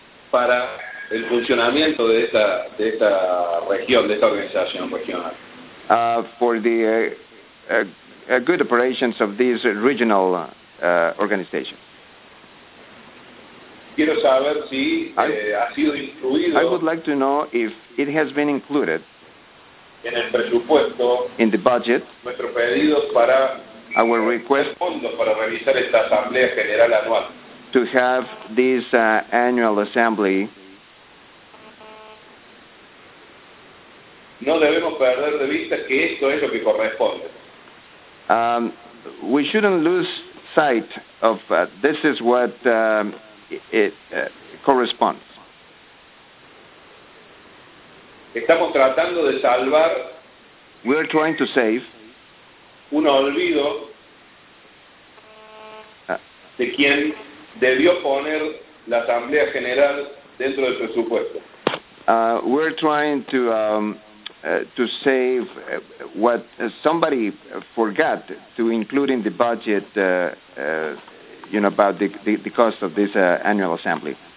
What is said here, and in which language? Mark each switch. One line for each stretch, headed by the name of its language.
Spanish: para el funcionamiento de esta región, de esta organización regional.
English: For the good operations of this regional organization.
Spanish: Quiero saber si ha sido incluido.
English: I would like to know if it has been included.
Spanish: En el presupuesto,
English: in the budget,
Spanish: nuestro pedido para
English: our request
Spanish: para realizar esta asamblea general anual.
English: To have this annual assembly.
Spanish: No debemos perder de vista que esto es lo que corresponde.
English: We shouldn't lose sight of this is what it corresponds.
Spanish: Estamos tratando de salvar.
English: We are trying to save.
Spanish: Un olvido. De quien debió poner la Asamblea General dentro del presupuesto.
English: We are trying to save what somebody forgot to include in the budget. You know about the cost of this annual assembly.